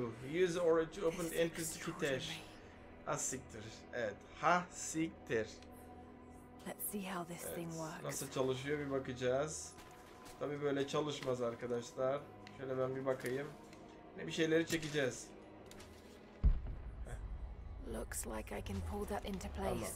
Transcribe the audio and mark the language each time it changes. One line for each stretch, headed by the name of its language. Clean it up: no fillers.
English: Use aura to open entrance to Kitesh.
Turkish: Asiktir. Evet. Hasiktir.
English: Let's see how this thing works.
Turkish: Nasıl çalışıyor bir bakacağız. Tabii böyle çalışmaz arkadaşlar. Şöyle ben bir bakayım. Ne bir şeyleri çekeceğiz.
English: Looks like I can pull that into place.